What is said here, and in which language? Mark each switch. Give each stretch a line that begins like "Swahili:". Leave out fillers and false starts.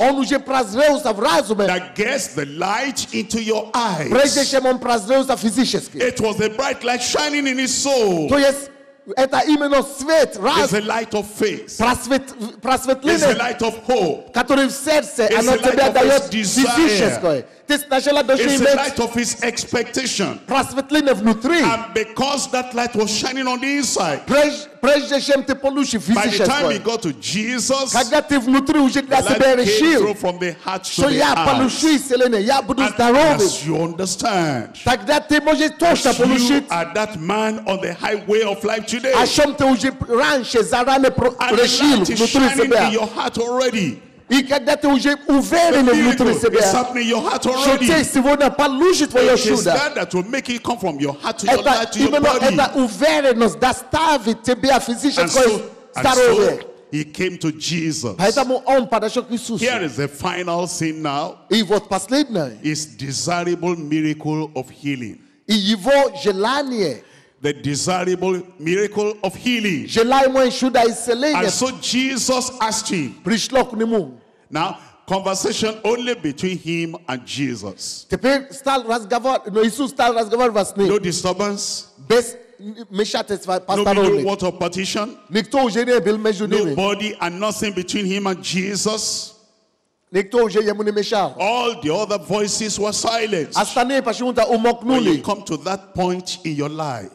Russian: Он уже прозрелся в разуме.
English: That gets the light into your eyes.
Russian: Прежде чем он прозрелся физически.
English: It was the bright light shining in his soul.
Russian: То есть Это именно свет,
English: is the light of faith.
Russian: Просветление.
English: Is the light of hope.
Russian: Который в сердце, оно тебе дает физическое.
English: It's the light of his expectation.
Russian: Просветление внутри.
English: And because that light was shining on the inside.
Russian: Прежде чем ты получил
English: физическое. By the time he got to Jesus.
Russian: Когда ты внутри уже для себя решил.
English: From the heart to the heart.
Russian: Что я получу исцеление, я буду здоровым.
English: As you understand.
Russian: Тогда ты можешь точно получить.
English: You are that man on the highway of life today.
Russian: О чем ты уже раньше заранее решил внутри себя.
English: And the light is shining in your heart already.
Russian: И когда ты уже уверен внутри себя, что ты сегодня получишь твое чудо, это именно эта уверенность доставит тебе физическое здоровье.
English: He came to Jesus.
Russian: Поэтому он подошел к Иисусу.
English: Here is the final thing now.
Russian: И вот последнее.
English: His desirable miracle of healing.
Russian: И его желание.
English: The desirable miracle of healing.
Russian: Желаемое чудо исцеления.
English: And so Jesus asked him.
Russian: Пришло к нему.
English: Now, conversation only between him and Jesus.
Russian: Теперь стал разговор, но Иисус стал разговаривать с ним.
English: No disturbance.
Russian: Без вмешательства пастора.
English: No middle water partition.
Russian: Никто уже не был между ними.
English: Nobody and nothing between him and Jesus.
Russian: Никто уже ему не мешал.
English: All the other voices were silenced.
Russian: Остальные почему-то умолкнули.
English: When you come to that point in your life,